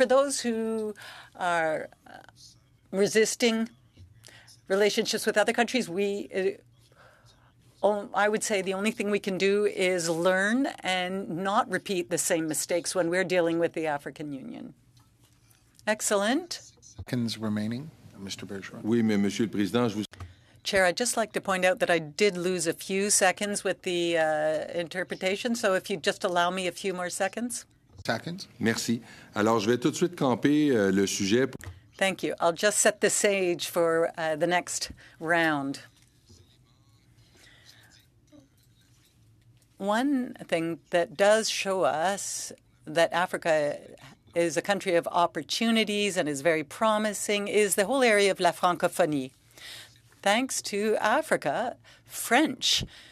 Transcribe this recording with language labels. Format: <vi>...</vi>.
<en>For those who are resisting relationships with other countries, I would say the only thing we can do is learn and not repeat the same mistakes when we're dealing with the African Union. Excellent. Seconds remaining, Mr. Bergeron.</en> <fr>Oui, mais Monsieur le Président, je vous...</fr> <en>Chair, I'd just like to point out that I did lose a few seconds with the interpretation, so if you'd just allow me a few more seconds. Seconds.</en> <fr>Merci. Alors, je vais tout de suite camper le sujet.</fr> <en>Thank you. I'll just set the stage for the next round. One thing that does show us that Africa is a country of opportunities and is very promising is the whole area of La Francophonie. Thanks to Africa, French</en>